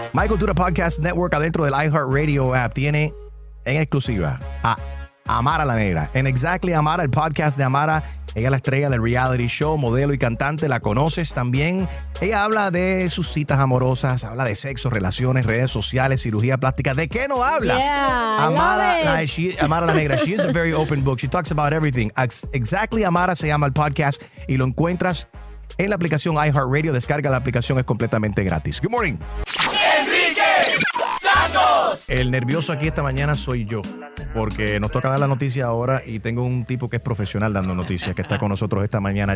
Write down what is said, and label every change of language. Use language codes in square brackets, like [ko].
[es] Michael Dura Podcast Network, adentro del iHeartRadio app, tiene en exclusiva a Amara la Negra. En Exactly Amara, el podcast de Amara. Ella es la estrella del reality show, modelo y cantante. La conoces también. Ella habla de sus citas amorosas, habla de sexo, relaciones, redes sociales, cirugía plástica. ¿De qué no habla? [en] Yeah, [es] Amara la Negra. [en] She is a very open book. She talks about everything. [es] Exactly Amara se llama el podcast y lo encuentras en la aplicación iHeartRadio. Descarga la aplicación, es completamente gratis. [en] Good morning. [es] Enrique Santos. El nervioso aquí esta mañana soy yo, porque nos toca dar la noticia ahora y tengo un tipo que es profesional dando noticias que está con nosotros esta mañana.